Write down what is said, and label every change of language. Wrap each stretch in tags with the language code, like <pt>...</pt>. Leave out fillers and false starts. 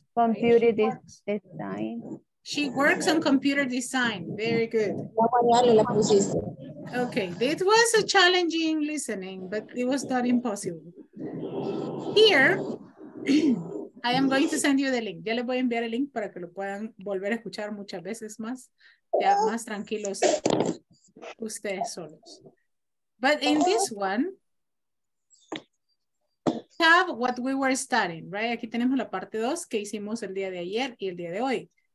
<en>Computer design. She works on computer design. Very good. Okay, it was a challenging listening, but it was not impossible. Here, I am going to send you the link.</en> <es>Ya les voy a enviar el link para que lo puedan volver a escuchar muchas veces más. Ya más tranquilos ustedes solos.</es> <en>But in this one, we have what we were studying, right?</en> <es>Aquí tenemos la parte 2 que hicimos el día de ayer y el día de hoy.</es>